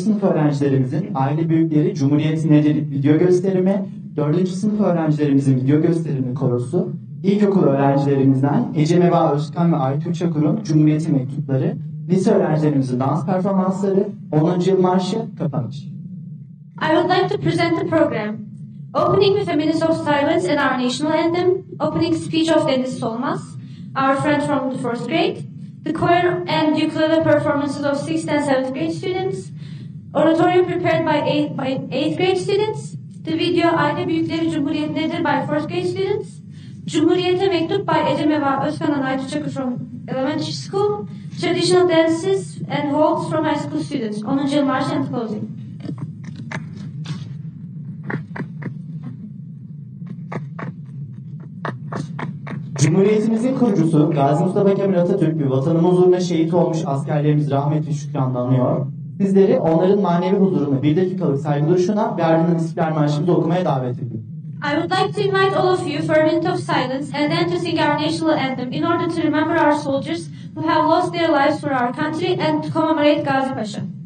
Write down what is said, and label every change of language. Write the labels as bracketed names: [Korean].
[Turkish] sınıf öğrencilerimizin aile büyükleri Cumhuriyet Nedir video gösterimi, 4. sınıf öğrencilerimizin video gösterimi korosu, ilkokul öğrencilerimizden Ece Meva Özkan ve Aytun Çakır'ın Cumhuriyet'e mektupları, lise öğrencilerimizin dans performansları, 10. yıl marşı, kapanış. [English] I would like to present the program. Opening with a minute of silence and our national anthem, opening speech of Deniz Solmaz, our friend from the first grade, the choir and ukulele performances of 6th and 7th grade students, oratorio prepared by 8th grade students, the video Aile Büyükleri Cumhuriyet Nedir by 4th grade students, Cumhuriyet'e mektup by Ece Meva Özkan and Aytun Çakır from elementary school, traditional dances and waltz from high school students, 10. yıl marşı and closing. [Turkish] Cumhuriyetimizin kurucusu Gazi Mustafa Kemal Atatürk bir vatanımız uğruna şehit olmuş askerlerimiz rahmet ve şükranla anıyor. Sizleri onların manevi huzurunu bir dakikalık saygı duruşuna ve ardından İstiklal Marşı'nı okumaya davet ediyorum. [English] I would like to invite all of you for a minute of silence and then to sing our national anthem in order to remember our soldiers who have lost their lives for our country and to commemorate Gazi Paşa.